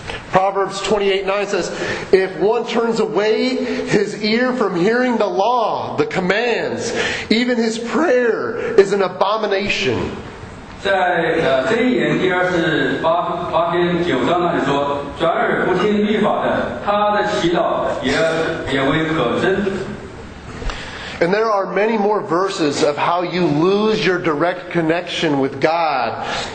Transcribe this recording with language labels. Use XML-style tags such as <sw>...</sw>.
<en>Proverbs 28:9 says, if one turns away his ear from hearing the law, the commands, even his prayer is an abomination.</en> <zh>在箴言第28篇9章那里说，转而不听律法的，他的祈祷也为可憎。</zh> <en>And there are many more verses of how you lose your direct connection with God.</en>